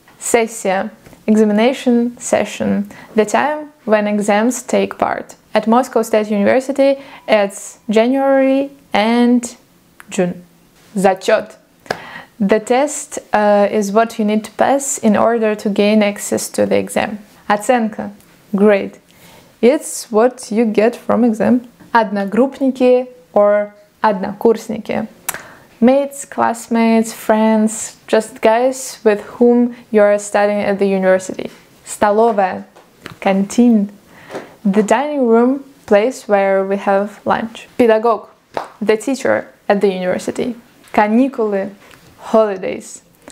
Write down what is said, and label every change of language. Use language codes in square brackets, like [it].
[en] Сессия, examination session. The time when exams take part. At Moscow State University, it's January and June. [ru] Зачет. [en] The test is what you need to pass in order to gain access to the exam. Оценка – grade. It's what you get from exam. [ru] Одногруппники or однокурсники. [en] Mates, classmates, friends, just guys with whom you are studying at the university. Столовая – canteen. The dining room, place where we have lunch. Педагог – the teacher at the university. Каникулы – holidays.